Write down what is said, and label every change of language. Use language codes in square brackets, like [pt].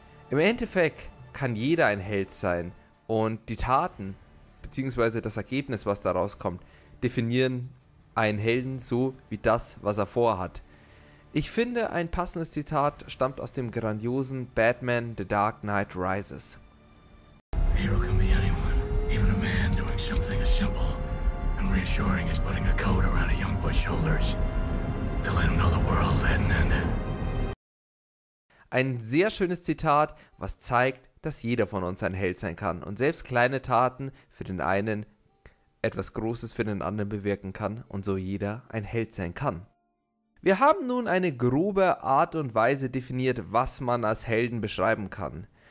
[de] Im Endeffekt kann jeder ein Held sein und die Taten bzw. das Ergebnis, was daraus kommt, definieren einen Helden so wie das, was er vorhat. Ich finde, ein passendes Zitat stammt aus dem grandiosen Batman The Dark Knight Rises. [en] Hero can be anyone, even a man doing something as simple and reassuring as putting a coat around a young boy's shoulders to let him know the world hadn't ended. [de] Ein sehr schönes Zitat, was zeigt, dass jeder von uns ein Held sein kann und selbst kleine Taten für den einen etwas Großes für den anderen bewirken kann und so jeder ein Held sein kann. Wir haben nun eine grobe Art und Weise definiert, was man als Helden beschreiben kann.